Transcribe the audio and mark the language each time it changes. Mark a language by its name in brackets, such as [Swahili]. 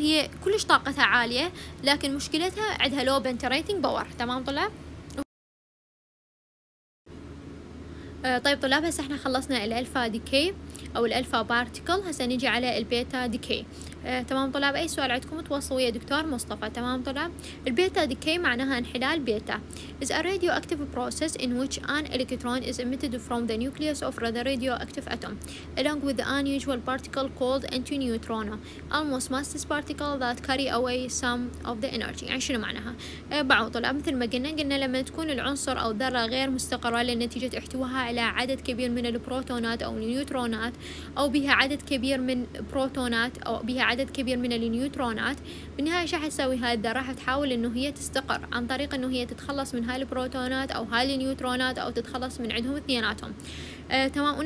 [Arabic] هي كلش طاقتها عاليه، لكن مشكلتها عندها لو بنتريتنج باور تمام طلاب. طيب طلاب، هسه احنا خلصنا الالفا ديكي او الالفا بارتيكل، هسه نجي على البيتا ديكي تمام طلاب. اي سؤال عندكم تواصلوا ويا دكتور مصطفى تمام طلاب. البيتا ديكي معناها انحلال بيتا. [English] is a radioactive process in which an electron is emitted from the nucleus of the radioactive atom along with an unusual particle called antineutron almost massless particle that carry away some of the energy. [Arabic] يعني شنو معناها؟ بعض طلاب مثل ما قلنا لما تكون العنصر او ذره غير مستقره لنتيجه احتوائها على عدد كبير من البروتونات او النيوترونات، او بها عدد كبير من بروتونات او بها عدد كبير من النيوترونات، بالنهاية شو حتسوي هاي الذرة؟ راح تحاول انه هي تستقر عن طريق انه هي تتخلص من هاي البروتونات او هاي النيوترونات، او تتخلص من عندهم اثنيناتهم تمام.